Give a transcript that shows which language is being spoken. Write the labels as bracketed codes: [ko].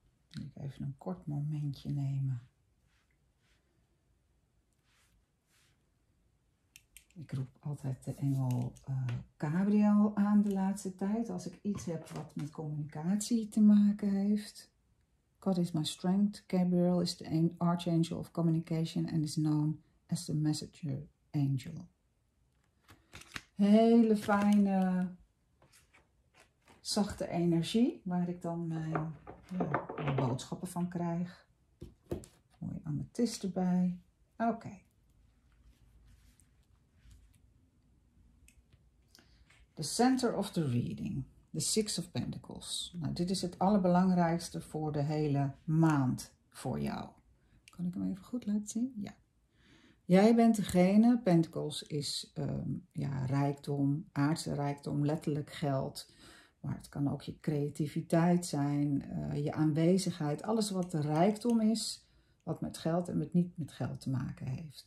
[nl] Ik ga even een kort momentje nemen. Ik roep altijd de engel Gabriel aan de laatste tijd. Als ik iets heb wat met communicatie te maken heeft. [en] God is my strength. Gabriel is the archangel of communication and is known as the messenger angel. [nl] Hele fijne, zachte energie waar ik dan mijn boodschappen van krijg. Mooie amethyst erbij. Oké. [en] The center of the reading, the Six of Pentacles. [nl] Nou, dit is het allerbelangrijkste voor de hele maand voor jou. Kan ik hem even goed laten zien? Ja. Jij bent degene, Pentacles is rijkdom, aardse rijkdom, letterlijk geld. Maar het kan ook je creativiteit zijn, je aanwezigheid, alles wat de rijkdom is, wat met geld en met niet met geld te maken heeft.